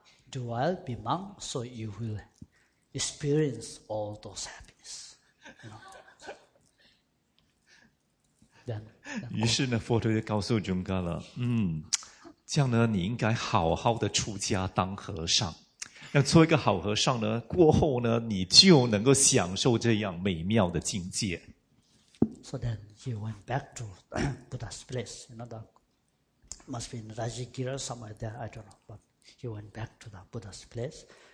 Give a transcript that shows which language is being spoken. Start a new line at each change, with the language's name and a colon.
English: Duhua, Bimang, so you will experience all those happiness, you know? Then,
Chinese: 于是呢，佛陀就告诉准噶了，这样呢，你应该好好的出家当和尚。要做一个好和尚呢，过后呢，你就能够享受这样美妙的境界。
English: So then he went back to Buddha's place. You know, that must be in Rajagira somewhere there. I don't know, but he went back to the Buddha's place.